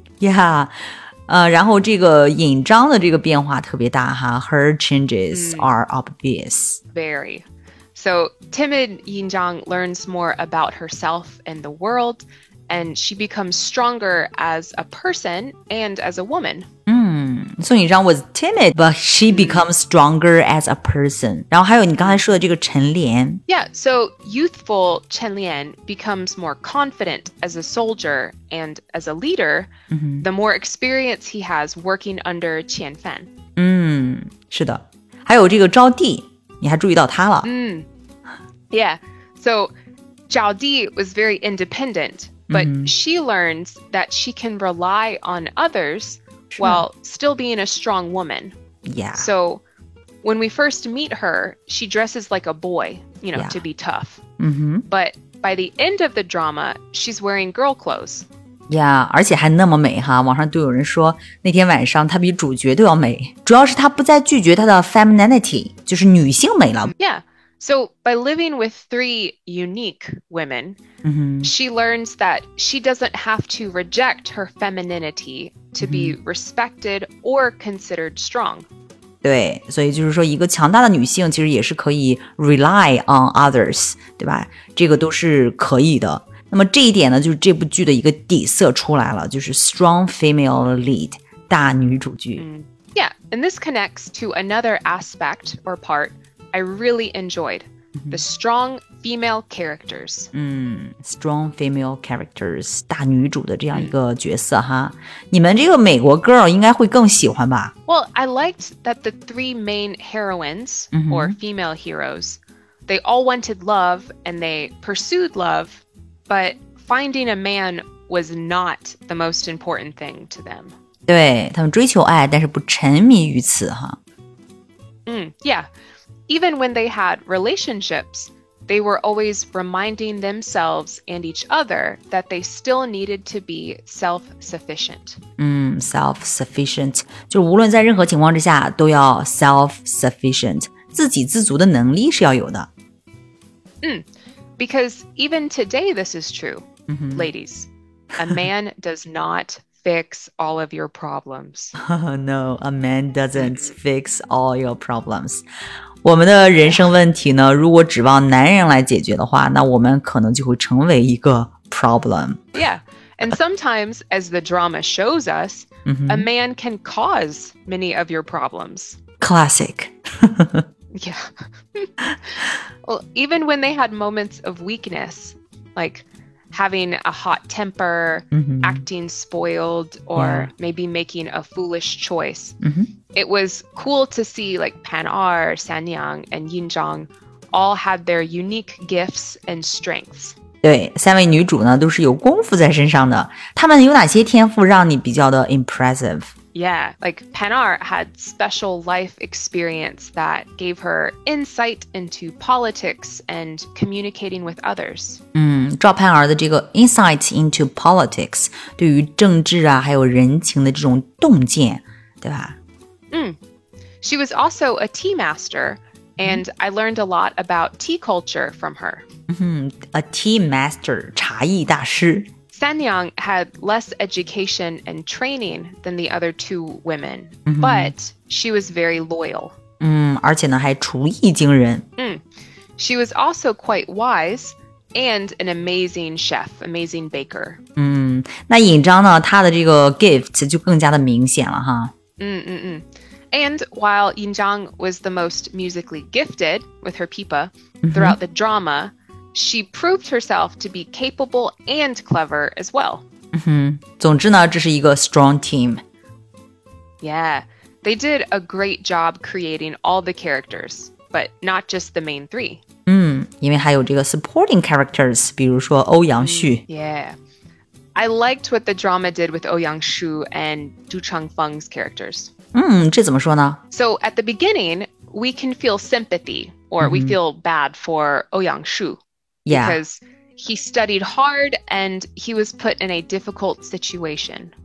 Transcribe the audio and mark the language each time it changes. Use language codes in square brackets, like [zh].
[en] Yeah. [zh] 然后这个引章的这个变化特别大哈 [en] Her changes are obvious. Very. So timid Yin Zhang learns more about herself and the world, and she becomes stronger as a person and as a woman. Song Yin Zhang was timid, but she becomes stronger as a person. [zh] 然后还有你刚才说的这个陈莲。 [en] Yeah, so youthful Chen Lian becomes more confident as a soldier and as a leader, the more experience he has working under Qian Fan. [zh] 是的。还有这个赵地你还注意到他了。 [en] Yeah, so Zhao Di was very independent, but she learns that she can rely on others,while still being a strong woman. Yeah. So when we first meet her, she dresses like a boy, you know, to be tough. But by the end of the drama, she's wearing girl clothes. [zh] Yeah, 而且还那么美哈，网上都有人说那天晚上她比主角都要美，主要是她不再拒绝她的 femininity, 就是女性美了。 [en] Yeah, so by living with three unique women, she learns that she doesn't have to reject her femininity,to be respected or considered strong. [zh] 对，所以就是说一个强大的女性其实也是可以 [en] rely on others, [zh] 对吧？这个都是可以的。那么这一点呢就是这部剧的一个底色出来了，就是 [en] strong female lead, [zh] 大女主剧。 Mm. [en] Yeah, and this connects to another aspect or part I really enjoyed. The strong female characters. Strong female characters, [zh] 大女主的这样一个角色哈。你们这个美国 girl 应该会更喜欢吧？ [en] Well, I liked that the three main heroines, or female heroes, they all wanted love and they pursued love, but finding a man was not the most important thing to them. [zh] 对，他们追求爱，但是不沉迷于此哈。 [en] Yeah. Even when they had relationships, they were always reminding themselves and each other that they still needed to be self-sufficient. Self-sufficient. [zh] 就无论在任何情况之下都要 self-sufficient. 自给自足的能力是要有的。 [en] Because even today this is true,ladies. A man does not fix all of your problems. No, a man doesn't fix all your problems. [zh] 我们的人生问题呢，如果指望男人来解决的话，那我们可能就会成为一个 problem. [en] Yeah, and sometimes, as the drama shows us, a man can cause many of your problems. Classic. Yeah. Well, even when they had moments of weakness, like having a hot temper, acting spoiled, or maybe making a foolish choice. It was cool to see like Pan-R, San-Yang, and Yin-Zhang all had their unique gifts and strengths. [zh] 对，三位女主呢都是有功夫在身上的。她们有哪些天赋让你比较的 impressive? [en] Yeah, like Pan-R had special life experience that gave her insight into politics and communicating with others. [zh] 赵盼儿的这个 [en] insight into politics, [zh] 对于政治啊还有人情的这种洞见，对吧？ [en] She was also a tea master, and I learned a lot about tea culture from her. A tea master, [zh] 茶艺大师。 [en] San-Yang had less education and training than the other two women, but she was very loyal. [zh] 而且呢还厨艺惊人。 [en] She was also quite wise and an amazing chef, amazing baker. [zh] 那尹章呢他的这个 gift 就更加的明显了哈。 [en] And while Yin Zhang was the most musically gifted with her pipa throughout the drama, she proved herself to be capable and clever as well. [zh] 总之呢，这是一个 [en] strong team. Yeah, they did a great job creating all the characters, but not just the main three. [zh] 因为还有这个 [en] supporting characters, [zh] 比如说欧阳旭。 [en] Yeah. I liked what the drama did with Ouyang Shu and Du Chengfeng's characters. [zh] 这怎么说呢? [en] So at the beginning, we can feel sympathy or we feel bad for Ouyang Shu. Yeah. Because he studied hard and he was put in a difficult situation.